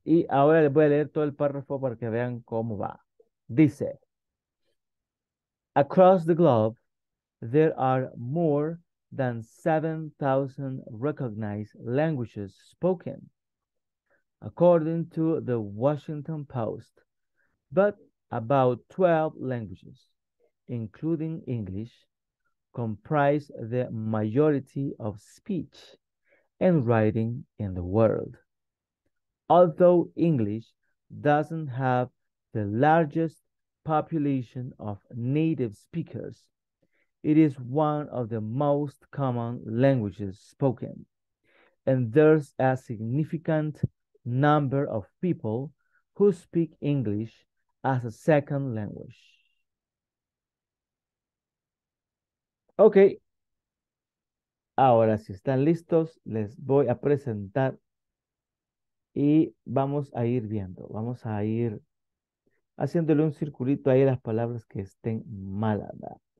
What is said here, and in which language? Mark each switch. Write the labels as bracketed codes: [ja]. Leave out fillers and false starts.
[es] Y ahora les voy a leer todo el párrafo para que vean cómo va. [en] Dice, across the globe, there are more than 7,000 recognized languages spoken, according to the Washington Post, but about 12 languages, including English, comprise the majority of speech and writing in the world. Although English doesn't have the largest population of native speakers, it is one of the most common languages spoken, and there's a significant number of people who speak English as a second language. Okay. [es] Ahora, si están listos, les voy a presentar y vamos a ir viendo, vamos a ir haciéndole un circulito ahí a las palabras que estén malas, ¿verdad?